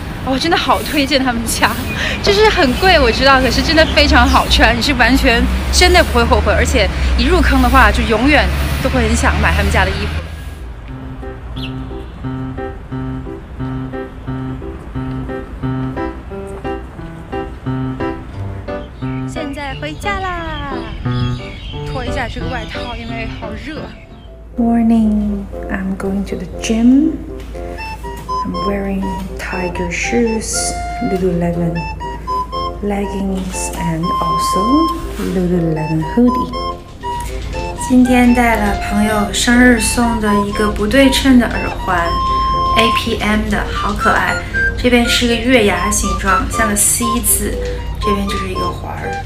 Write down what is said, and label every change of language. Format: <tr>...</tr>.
<zh>哦，真的好推荐他们家，就是很贵我知道，可是真的非常好穿，你是完全真的不会后悔，而且一入坑的话就永远都会很想买他们家的衣服。现在回家啦，脱一下这个外套，因为好热。</zh> <en>Morning, I'm going to the gym. I'm wearingTiger shoes, Lululemon leggings, and also Lululemon hoodie.</en> <zh>今天带了朋友生日送的一个不对称的耳环 ，APM 的，好可爱。这边是个月牙形状，像个 C 字，这边就是一个环。</zh>